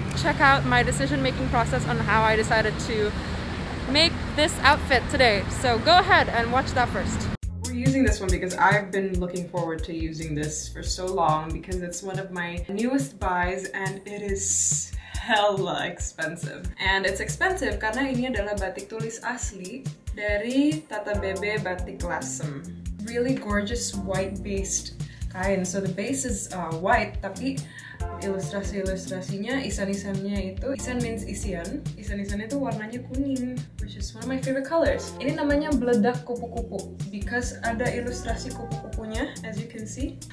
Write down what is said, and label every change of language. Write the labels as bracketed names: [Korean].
[English] Check out my decision-making process on how I decided to make this outfit today. So go ahead and watch that first. We're using this one because I've been looking forward to using this for so long because it's one of my newest buys and it is hella expensive. And it's expensive [Indonesian] karena ini adalah batik tulis asli dari Tata Bebe Batik Lasem. [English] Really gorgeous white-based kain. So the base is white, [Indonesian] tapi ilustrasi-ilustrasinya, isan-isannya itu, [English] isan means isian, [Indonesian] isan-isannya itu warnanya kuning, [English] which is one of my favorite colors. [Indonesian] Ini namanya Bledak Kupu-Kupu, because ada ilustrasi kupu-kupunya, [English] as you can see.